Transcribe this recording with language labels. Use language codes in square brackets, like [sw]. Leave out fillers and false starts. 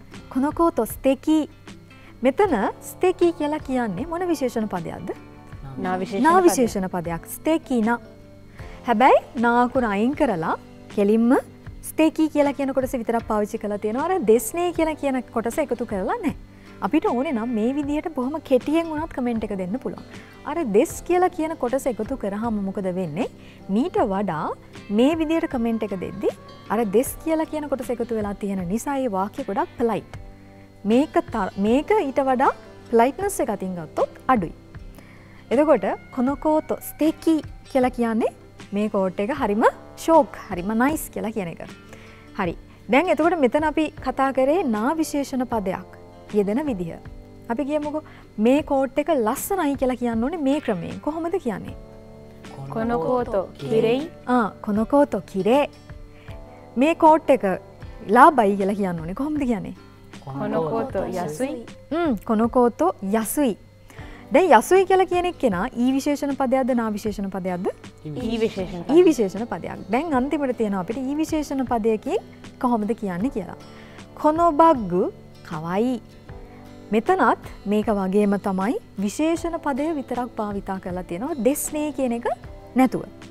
[ja] このコートステキ。このコートステキ。 [si] මෙතන ステキ කියලා කියන්නේ මොන විශේෂණ පදයක්ද? නා විශේෂණ පදයක්. ステキな。 හැබැයි නා අකුර අයින් කරලා කෙලින්ම ステキ කියලා කියන කොටස විතරක් පාවිච්චි කරලා තියෙනවා. අර දෙස්නේ කියලා කියන කොටස එකතු කරලා නැහැ. අපිට ඕනේ නම් මේ විදිහට බොහොම කෙටියෙන් උනත් කමෙන්ට් එක දෙන්න පුළුවන්. අර දෙස් කියලා කියන කොටස එකතු කරාම මොකද වෙන්නේ? මීට වඩා මේ විදිහට කමෙන්ට් එක දෙද්දි අර දෙස් කියලා කියන කොටස එකතු වෙලා තියෙන නිසා ඒ වාක්‍ය ගොඩක් ප්ලයිට්. මේක ඊට වඩා ප්ලයිට්නස් එක අතින් ගත්තොත් අඩුයි. එතකොට [ja] このコート ステキ [si] කියලා කියන්නේ මේ කෝට් එක හරිම ෂෝක්, හරිම නයිස් කියලා කියන එක. හරි. දැන් එතකොට මෙතන අපි කතා කරේ නා විශේෂණ පදයක් යෙදෙන විදිහ. අපි කියමුකෝ මේ කෝට් එක ලස්සනයි කියලා කියන්න ඕනේ මේ ක්‍රමයෙන්. කොහොමද කියන්නේ? [ja] このコートきれい。このコートきれい。 [si] මේ කෝට් එක ලාබයි කියලා කියන්න ඕනේ කොහොමද කියන්නේ? [ja] このコートやすい。このコートやすい。 [si] දැන් යසුයි කියලා කියන එක කෙනා ඊ විශේ෷ණ පදයක්ද නා විශේ෷ණ පදයක්ද? ඊ විශේ෷ණ පදයක්. දැන් අන්තිමට තියෙනවා අපිට ඊ විශේ෷ණ පදයකින් කොහොමද කියන්නේ කියලා. [ja] このバッグ かわいい. [si] මෙතනත් මේක වගේම තමයි විශේෂණ පදය විතරක් භාවිතා කරලා තියෙනවා දෙස්නේ කියන එක නැතුව.